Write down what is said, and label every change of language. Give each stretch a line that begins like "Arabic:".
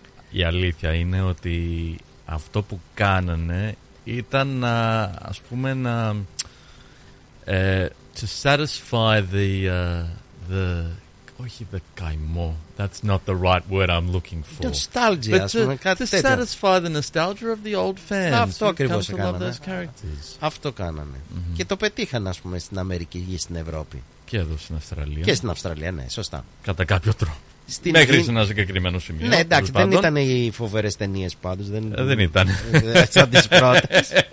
Greek: Η αλήθεια είναι ότι αυτό που κάνανε ήταν να, ας πούμε, να
English: to satisfy the
Greek: όχι the καημό,
English: that's not the right word I'm looking for, nostalgia, but to satisfy the nostalgia of the old fans.
Greek: Αυτό ακριβώς κάνανε. Αυτό κάνανε. Και το πετύχανε, ας πούμε, στην Αμερική ή στην Ευρώπη. Και εδώ στην Αυστραλία. Και στην Αυστραλία, ναι, σωστά. Κατά κάποιο τρόπο. Μέχρι σε ένα συγκεκριμένο σημείο. Ναι, εντάξει, δεν ήταν οι φοβερές ταινίες πάντως. Δεν ήταν. Σαν τις πρώτες.